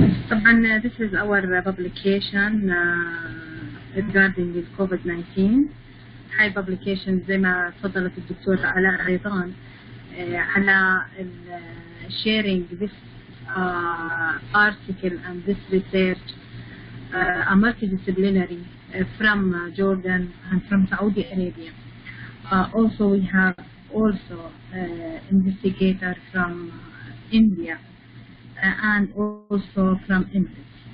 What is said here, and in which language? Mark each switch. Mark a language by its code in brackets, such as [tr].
[en] And this is our publication regarding the COVID-19. [ar] هاي publication زي ما تفضلت الدكتورة علاء غيطان على [en] sharing this article and this research, a multidisciplinary from Jordan and from Saudi Arabia. Also, we have also investigator from India and also from India.